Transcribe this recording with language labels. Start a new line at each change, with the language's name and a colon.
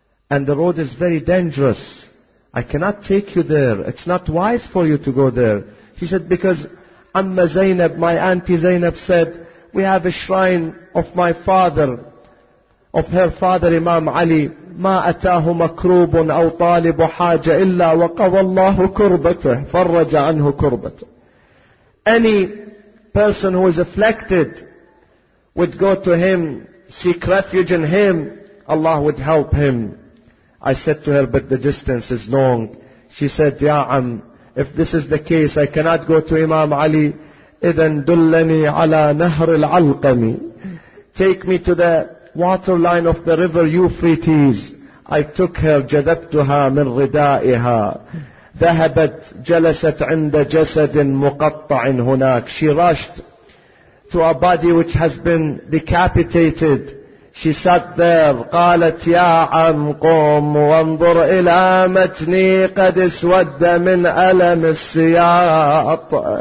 English: And the road is very dangerous. I cannot take you there. It's not wise for you to go there. She said, because Amma Zainab, my auntie Zainab said, we have a shrine of my father, of her father Imam Ali.
Arabic: ما أتاه مكروب أو طالب حاجة إلا وقضى الله كربته فرج عنه كربته.
English: Any person who is afflicted would go to him, seek refuge in him, Allah would help him. I said to her, but the distance is long. She said, Ya Am, if this is the case, I cannot go to Imam Ali.
Arabic: إذن دلني على نهر العلقمي.
English: Take me to the water line of the river Euphrates. I took her,
Arabic: جذبتها من ردائها. ذهبت جلست عند جسد مقطع هناك.
English: She rushed to a body which has been decapitated. She sat there.
Arabic: قالت يا عم قم وانظر إلى متني قد اسود من ألم السياط.